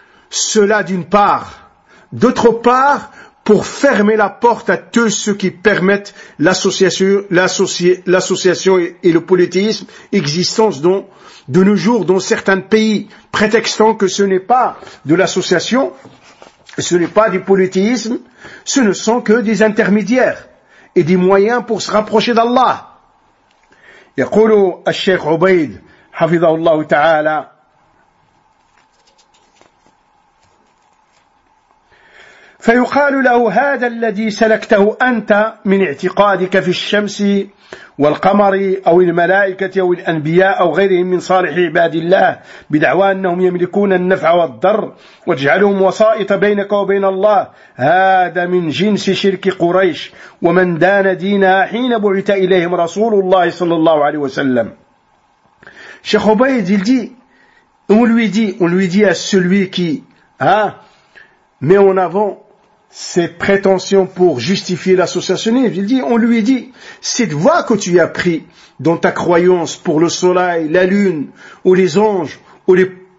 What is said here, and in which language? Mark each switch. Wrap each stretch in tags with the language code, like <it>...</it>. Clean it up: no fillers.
<fr>Cela d'une part. D'autre part, pour fermer la porte à tous ceux qui permettent l'association et le polythéisme existence dont, de nos jours dans certains pays, prétextant que ce n'est pas de l'association, ce n'est pas du polythéisme, ce ne sont que des intermédiaires et des moyens pour se rapprocher d'Allah.</fr> <ar>يقول الشيخ عبيد حفظه الله تعالى فيقال له هذا الذي سلكته أنت من اعتقادك في الشمس والقمر أو الملائكة أو الأنبياء أو غيرهم من صالح عباد الله بدعوى أنهم يملكون النفع والضر واجعلهم وسائط بينك وبين الله، هذا من جنس شرك قريش ومن دان دينها حين بعث إليهم رسول الله صلى الله عليه وسلم. شيخ عبيد يلدي</ar> <fr>on lui dit à celui qui met en avant ses prétentions pour justifier l'associationnisme, on lui dit, cette voie que tu as pris dans ta croyance pour le soleil, la lune, ou les anges, ou les</fr>